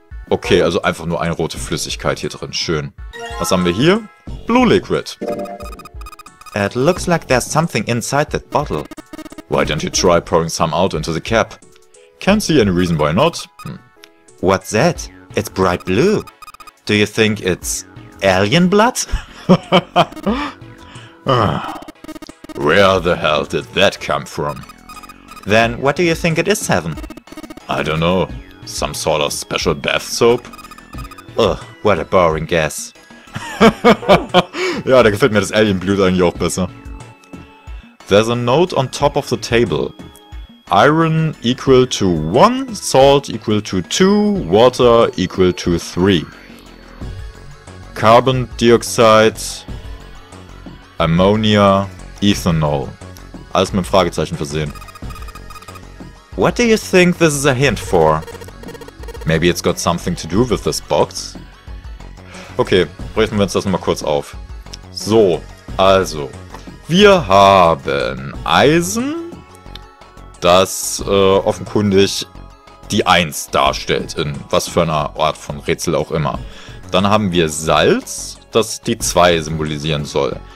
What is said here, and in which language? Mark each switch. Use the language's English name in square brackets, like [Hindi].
[German] Okay, also einfach nur eine rote Flüssigkeit hier drin. Schön. Was haben wir hier? [English] Blue liquid. It looks like there's something inside that bottle. Why don't you try pouring some out into the cap? Can't see any reason why not. What's that? It's bright blue. Do you think it's alien blood? Where the hell did that come from? Then what do you think it is, Seven? I don't know. Some sort of special bath soap? Ugh, what a boring guess. [German] Ja, da gefällt mir das Alienblut eigentlich auch besser. [English] There's a note on top of the table. Iron equal to 1, salt equal to 2, water equal to 3. Carbon dioxide, ammonia, ethanol. [German] Alles mit einem Fragezeichen versehen. [English] What do you think this is a hint for? Maybe it's got something to do with this box? [German] Okay, brechen wir uns das nochmal kurz auf. So, also. Wir haben Eisen, das offenkundig die 1 darstellt, in was für einer Art von Rätsel auch immer. Dann haben wir Salz, das die 2 symbolisieren soll.